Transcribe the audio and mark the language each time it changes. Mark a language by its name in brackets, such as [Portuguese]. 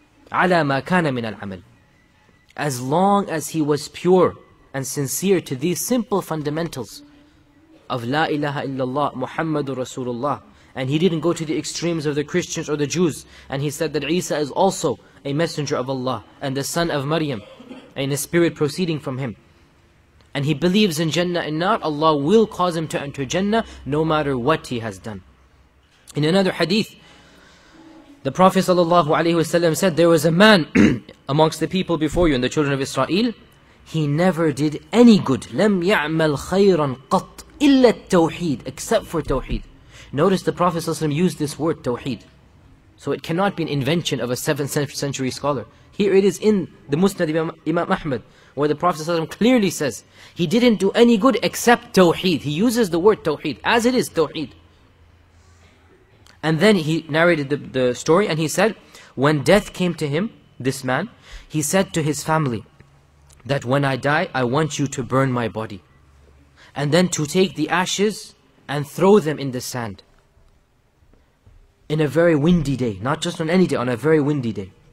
[Arabic] عَلَى مَا كَانَ مِنَ الْعَمَلِ, [English] as long as he was pure and sincere to these simple fundamentals of La ilaha illallah, Muhammadur Rasulullah, and he didn't go to the extremes of the Christians or the Jews, and he said that Isa is also a messenger of Allah and the son of Maryam and a spirit proceeding from him, and he believes in Jannah and Nar, Allah will cause him to enter Jannah no matter what he has done. In another hadith, the Prophet sallallahu alaihi wasallam said, there was a man amongst the people before you and the children of Israel, he never did any good. [Arabic] لَمْ يَعْمَلْ خَيْرًا قَطْ إِلَّا التَّوْحِيدِ, [English] except for Tawheed. Notice the Prophet sallallahu alaihi wasallam used this word, Tawheed. So it cannot be an invention of a 7th century scholar. Here it is in the Musnad of Imam Ahmad, where the Prophet sallallahu alaihi wasallam clearly says, he didn't do any good except Tawheed. He uses the word Tawheed, as it is Tawheed. And then he narrated the story and he said, when death came to him, this man, he said to his family that when I die, I want you to burn my body and then to take the ashes and throw them in the sand in a very windy day, not just on any day, on a very windy day.